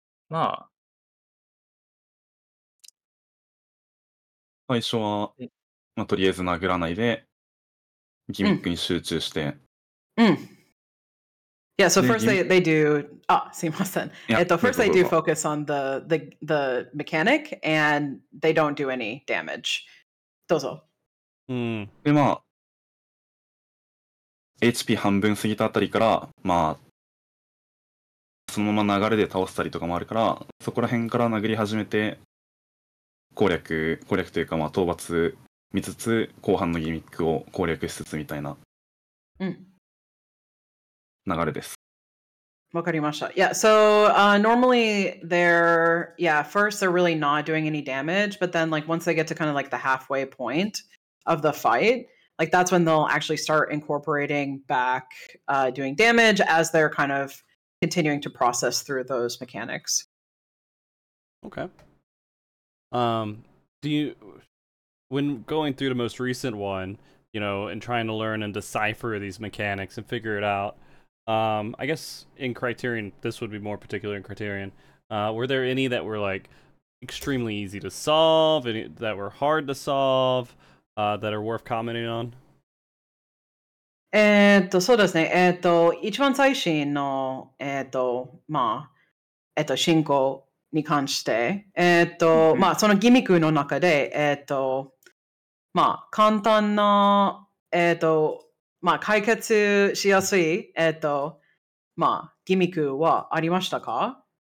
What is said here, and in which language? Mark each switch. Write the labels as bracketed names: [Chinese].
[Japanese] まあ。最初は、まあ、とりあえず殴らないで、ギミックに集中して。うん。うん、 [English] Yeah, so first they do... Ah, sorry. First they do focus on the mechanic and they don't do any damage. [Japanese] Dozo. で、まあ、HP 半分過ぎたあたりから、まあ、そのまま流れで倒したりとかもあるから、そこら辺から殴り始めて、攻略というか、まあ、討伐見つつ、後半のギミックを攻略しつつみたいな。うん。流れです。わかりました。 [English] Yeah, so normally first they're really not doing any damage, but then like once they get to kind of like the halfway point of the fight, like that's when they'll actually start incorporating back doing damage as they're kind of continuing to process through those mechanics. Okay. Do you when going through the most recent one, you know, and trying to learn and decipher these mechanics and figure it out? I guess in Criterion, this would be more particular in Criterion. Were there any that were like extremely easy to solve, any that were hard to solve, that are worth commenting on? [Japanese] そうですね。一番最新の、まあ、進行に関して、まあ、そのギミックの中で、まあ、簡単な、まあ、解決しやすい、まあ、ギミックはありましたか？